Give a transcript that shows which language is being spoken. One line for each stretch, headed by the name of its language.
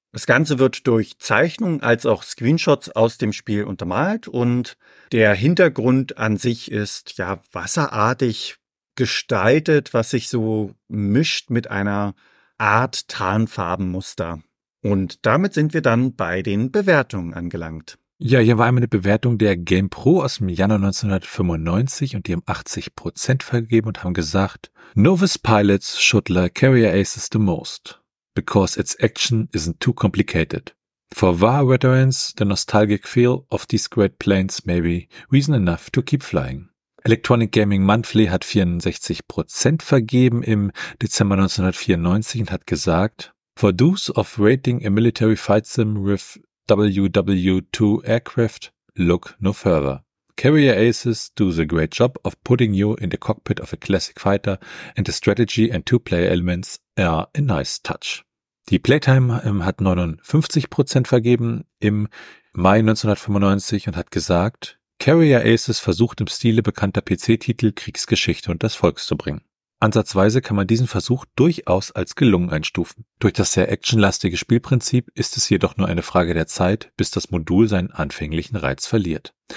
German: Das Ganze wird durch Zeichnungen als auch Screenshots aus dem Spiel untermalt und der Hintergrund an sich ist ja wasserartig gestaltet, was sich so mischt mit einer Art Tarnfarbenmuster. Und damit sind wir dann bei den Bewertungen angelangt. Ja, hier war einmal eine Bewertung der GamePro aus dem Januar 1995 und die haben 80% vergeben und haben gesagt,
English: Novice Pilots should like Carrier Aces the most. Because its action isn't too complicated. For war veterans, the nostalgic feel of these great planes may be reason enough to keep flying.
German: Electronic Gaming Monthly hat 64% vergeben im Dezember 1994 und hat gesagt,
English: for those of rating a military fight sim with WW2 aircraft, look no further. Carrier Aces do the great job of putting you in the cockpit of a classic fighter and the strategy and two-player elements are a nice touch.
German: Die Playtime hat 59% vergeben im Mai 1995 und hat gesagt, Carrier Aces versucht im Stile bekannter PC-Titel Kriegsgeschichte und das Volk zu bringen. Ansatzweise kann man diesen Versuch durchaus als gelungen einstufen. Durch das sehr actionlastige Spielprinzip ist es jedoch nur eine Frage der Zeit, bis das Modul seinen anfänglichen Reiz verliert.